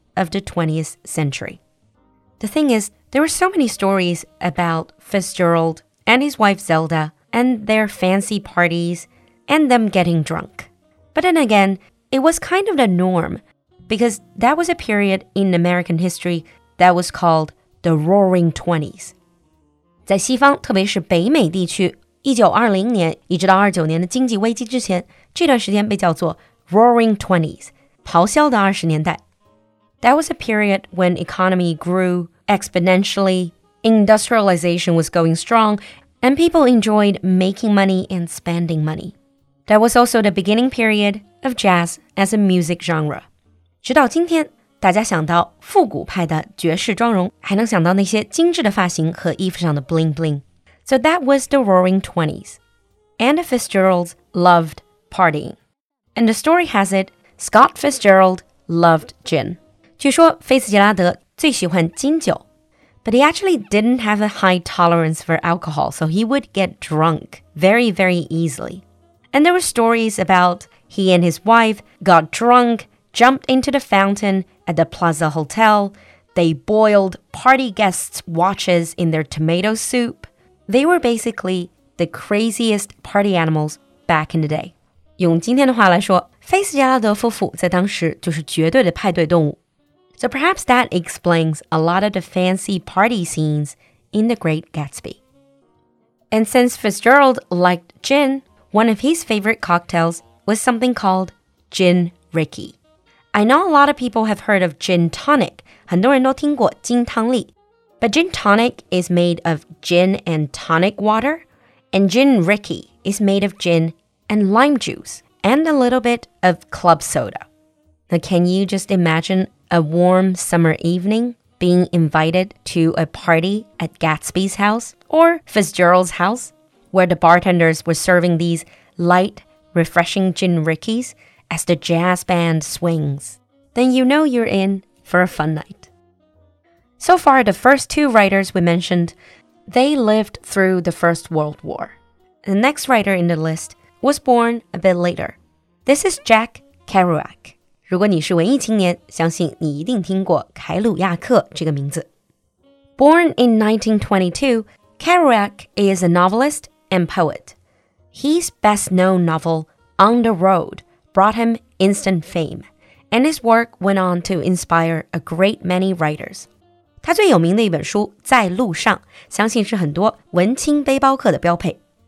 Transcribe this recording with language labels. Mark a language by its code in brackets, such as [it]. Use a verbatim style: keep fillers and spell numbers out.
[en] of the twentieth century. The thing is, there were so many stories about Fitzgerald and his wife Zelda and their fancy parties and them getting drunk. But then again, it was kind of the norm because that was a period in American history that was called the Roaring Twenties. [zh] 在西方，特别是北美地区，一九二零年一直到二九年的经济危机之前，这段时间被叫做 Roaring Twenties, 咆哮的二十年代。 [en] That was a period when economy grew exponentially, industrialization was going strong, and people enjoyed making money and spending money. That was also the beginning period of jazz as a music genre. [zh] 直到今天，大家想到复古派的爵士妆容，还能想到那些精致的发型和衣服上的 bling bling. [en] So that was the Roaring Twenties. And the Fitzgeralds loved partying. And the story has it, Scott Fitzgerald loved gin. [zh] 据说菲茨杰拉德最喜欢金酒 [en] But he actually didn't have a high tolerance for alcohol, so he would get drunk very, very easily. And there were stories about he and his wife got drunk, jumped into the fountain at the Plaza Hotel. They boiled party guests' watches in their tomato soup. They were basically the craziest party animals back in the day. [zh] 用今天的话来说，菲茨杰拉德夫妇在当时就是绝对的派对动物。 [en] So perhaps that explains a lot of the fancy party scenes in The Great Gatsby. And since Fitzgerald liked gin, one of his favorite cocktails was something called Gin Ricky. I know a lot of people have heard of gin tonic, [zh] 很多人都听过金汤力 [en] But gin tonic is made of gin and tonic water, and Gin Ricky is made of gin and lime juice, and a little bit of club soda. Now can you just imagine... A warm summer evening, being invited to a party at Gatsby's house or Fitzgerald's house, where the bartenders were serving these light, refreshing gin rickies as the jazz band swings. Then you know you're in for a fun night. So far, the first two writers we mentioned, they lived through the First World War. The next writer in the list was born a bit later. This is Jack Kerouac. [zh] 如果你是文艺青年，相信你一定听过凯鲁亚克这个名字。 [en] Born in nineteen twenty-two, Kerouac is a novelist and poet. His best-known novel, On the Road, brought him instant fame, and his work went on to inspire a great many writers. [zh] 他最有名的一本书《在路上》，相信是很多文青背包客的标配。